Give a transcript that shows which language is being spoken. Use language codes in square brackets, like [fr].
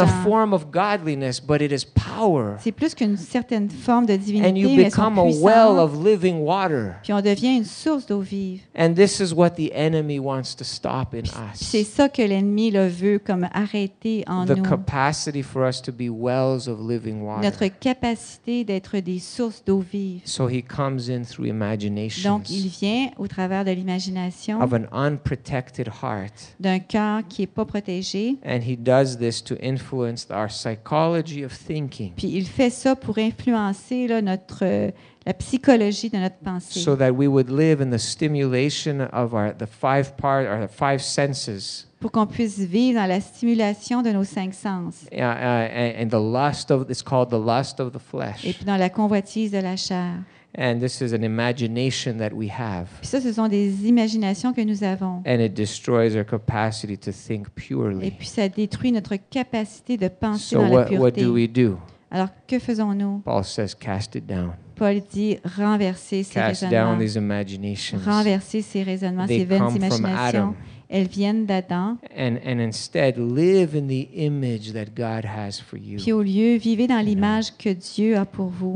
[en] A form of godliness, but it is power. [fr] C'est plus qu'une certaine forme de divinité, [en] and you [fr] mais [en] become a well of living water. [fr] Puis on devient une source d'eau vive. [en] And this is what the enemy wants to stop in [fr] puis, [en] us. [fr] C'est ça que l'ennemi le veut comme arrêter en [en] the [fr] nous. [en] The capacity for us to be wells of living water. [fr] Notre capacité d'être des sources d'eau vive. [en] So he comes in through imagination. [fr] Donc il vient au travers de l'imagination. [en] Of an unprotected heart. [fr] D'un cœur qui est pas protégé. [en] And he does this to influence our psychology of thinking. [fr] Puis il fait ça pour influencer là la psychologie de notre pensée. [en] So that we would live in the stimulation of the five senses. [fr] Pour qu'on puisse vivre dans la stimulation de nos cinq sens. [en] And the lust of it's called the lust of the flesh. [fr] Et puis dans la convoitise de la chair. [en] And this is an imagination that we have. [fr] Puis ça, ce sont des imaginations que nous avons. [en] And it destroys our capacity to think purely. [fr] Et puis ça détruit notre capacité de penser dans la pureté. [en] What do we do? [fr] Alors que faisons-nous? [en] Paul says, cast it down. [fr] Paul dit renverser ces [en] cast [fr] raisonnements. [en] Down these imaginations. [fr] Renverser ces raisonnements, [en] they [fr] ces vaines imaginations. Elles viennent d'Adam. [en] And instead live in the image that God has for you. [fr] Puis au lieu, vivez dans l'image que Dieu a pour vous.